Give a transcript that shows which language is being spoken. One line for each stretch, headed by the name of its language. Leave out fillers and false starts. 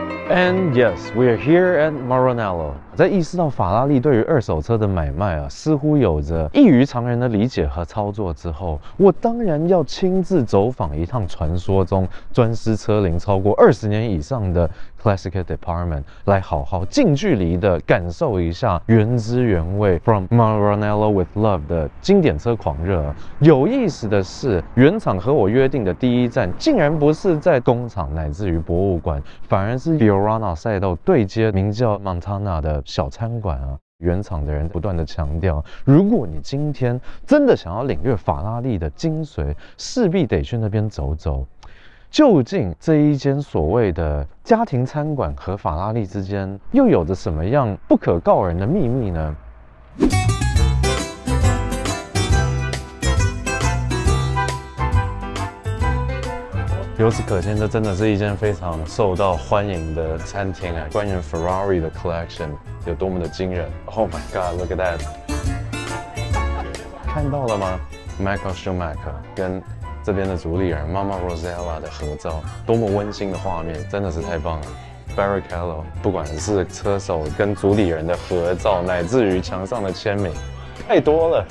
English: And yes, we are here at Maranello.
Chinese: 在意识到法拉利对于二手车的买卖啊，似乎有着异于常人的理解和操作之后，我当然要亲自走访一趟传说中专司车龄超过20年以上的 Classic Department， 来好好近距离的感受一下原汁原味
English: from Maranello with love
Chinese: 的经典车狂热。有意思的是，原厂和我约定的第一站，竟然不是在工厂乃至于博物馆，反而是Fiorana 赛道对接名叫 Montana 的小餐馆啊。原厂的人不断的强调，如果你今天真的想要领略法拉利的精髓，势必得去那边走走。究竟这一间所谓的家庭餐馆和法拉利之间又有着什么样不可告人的秘密呢？由此可见，这真的是一间非常受到欢迎的餐厅啊！关于 Ferrari 的 collection 有多么的惊人 ！
English: Oh my God, look at that！
Chinese: 看到了吗 ？Michael Schumacher 跟这边的主理人 Mama Rosella 的合照，多么温馨的画面，真的是太棒了 ！Barrichello 不管是车手跟主理人的合照，乃至于墙上的签名，太多了。